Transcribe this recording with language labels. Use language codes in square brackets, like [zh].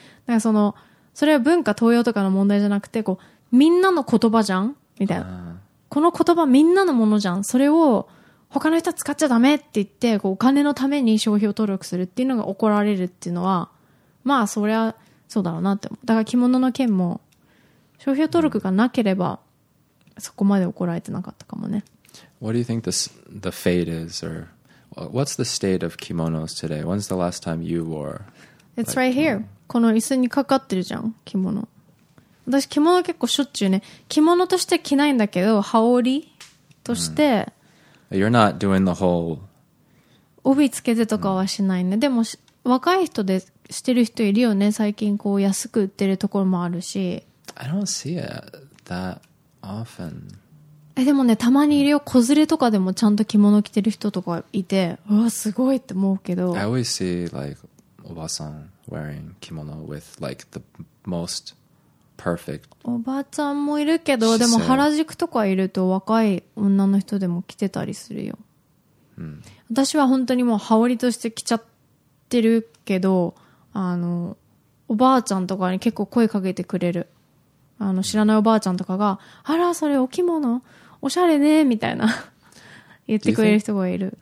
[ja] だからそれは文化盗用とかの問題じゃなくて、こうみんなの言葉じゃんみたいな、この言葉みんなのものじゃん、それを他の人使っちゃダメって言って、こうお金のために商標登録するっていうのが怒られるっていうのは、まあそれはそうだろうなって思う。だから着物の件も商標登録がなければそこまで怒られてなかったかもね。 [en] What do you think the fate is, or what's the state of kimonos today? When's the last time you wore? It's like, right here. [ja] この椅子にかかってるじゃん、着物。私着物結構しょっちゅうね、着物として着ないんだけど、羽織として。 [en] You're not doing the whole. [ja] 帯つけてとかはしないね。でも若い人でしてる人いるよね。最近こう安く売ってるところもあるし。 [en] I don't see it that often. [ja] でもね、たまにいるよ、子連れとかでもちゃんと着物着てる人とかいて、うわすごいって思うけど。 [en] I always see like おばさん wearing kimono with like the most perfect。 [ja] おばちゃんもいるけど、でも原宿とかいると若い女の人でも着てたりするよ。私は本当にもう羽織として着ちゃってるけど、おばあちゃんとかに結構声かけてくれる。知らないおばあちゃんとかが、あらそれお着物おしゃれねみたいな言ってくれる人がいる。